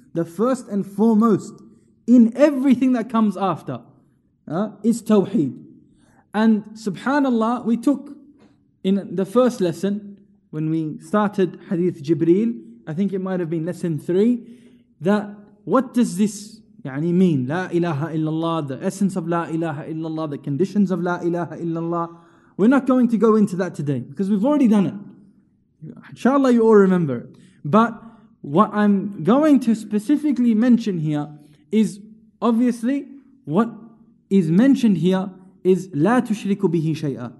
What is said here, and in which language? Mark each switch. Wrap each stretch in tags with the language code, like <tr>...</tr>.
<en>The first and foremost in everything that comes after is توحيد. And subhanAllah, we took in the first lesson when we started Hadith Jibreel, I think it might have been lesson 3, that what does this يعني mean?</en> <ar>لا إله إلا الله, the essence of لا إله إلا الله, the conditions of لا إله إلا الله.</ar> <en>We're not going to go into that today because we've already done it. Inshallah, you all remember. But what I'm going to specifically mention here is obviously what is mentioned here is لا تشركوا به شيئا.</en>